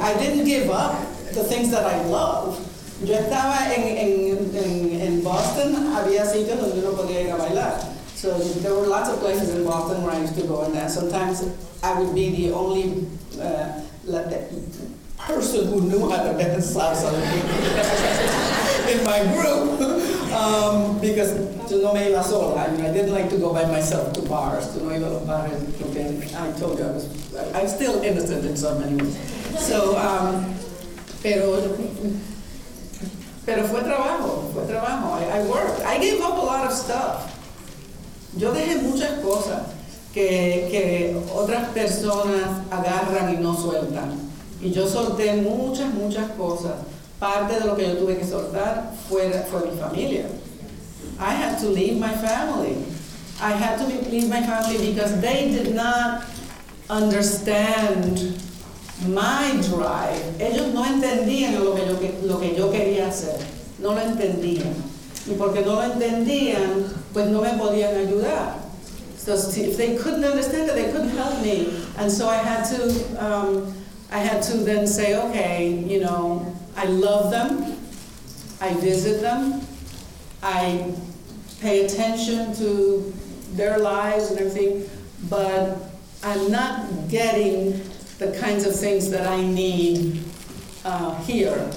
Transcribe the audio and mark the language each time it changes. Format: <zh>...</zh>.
<en>I didn't give up the things that I love.</en> <es>Yo estaba en Boston, había sitios donde yo no podía ir a bailar.</es> <en>So there were lots of places in Boston where I used to go and dance. Sometimes I would be the only person who knew how to dance salsa in my group. Because</en> <es>to no me la sola.</es> <en>I mean, I didn't like to go by myself to bars. To no me la sola. I told you I'm still innocent in so many ways.</en> <es>So, pero fue trabajo. Fue trabajo.</es> <en>I worked. I gave up a lot of stuff.</en> <es>Yo dejé muchas cosas que otras personas agarran y no sueltan. Y yo solté muchas, muchas cosas. Parte de lo que yo tuve que soltar fue mi familia.</es> <en>I had to leave my family. I had to leave my family because they did not understand my drive.</en> <es>Ellos no entendían lo que yo quería hacer. No lo entendían. Y porque no lo entendían, pues no me podían ayudar.</es> <en>So if they couldn't understand it, they couldn't help me. And so I had to then say, okay, you know, I love them, I visit them, I pay attention to their lives and everything, but I'm not getting the kinds of things that I need here.</en>